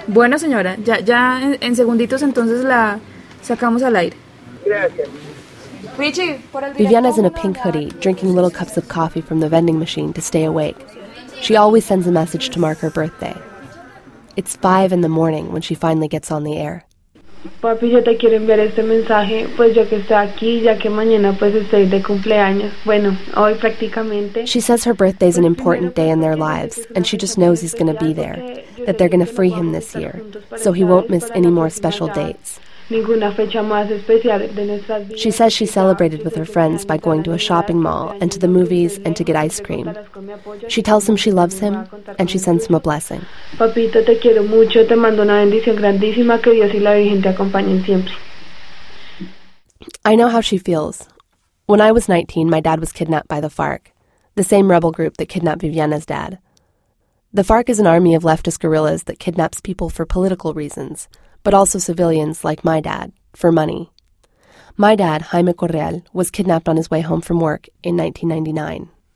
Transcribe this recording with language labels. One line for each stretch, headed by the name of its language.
Spanish: Bueno, señora, ya en segunditos entonces la sacamos al aire. Gracias.
English: Viviana's in a pink hoodie, drinking little cups of coffee from the vending machine to stay awake. She always sends a message to mark her birthday. It's 5 in the morning when she finally gets on the air.
Spanish: Papi, ya te quiero enviar este mensaje, pues yo que estoy aquí, ya que mañana pues estoy de cumpleaños. Bueno, hoy prácticamente.
English: She says her birthday is an important day in their lives, and she just knows he's going to be there, that they're going to free him this year, so he won't miss any more special dates.
Spanish: Ninguna fecha más especial de nuestras vidas.
English: She says she celebrated with her friends by going to a shopping mall and to the movies and to get ice cream. She tells him she loves him and she sends him a blessing.
Spanish: Papito, te quiero mucho. Te mando una bendición grandísima. Que Dios y la Virgen te acompañen siempre.
English: I know how she feels. When I was 19, my dad was kidnapped by the FARC, the same rebel group that kidnapped Viviana's dad. The FARC is an army of leftist guerrillas that kidnaps people for political reasons, but also civilians, like my dad, for money. My dad, Jaime Correal, was kidnapped on his way home from work in 1999.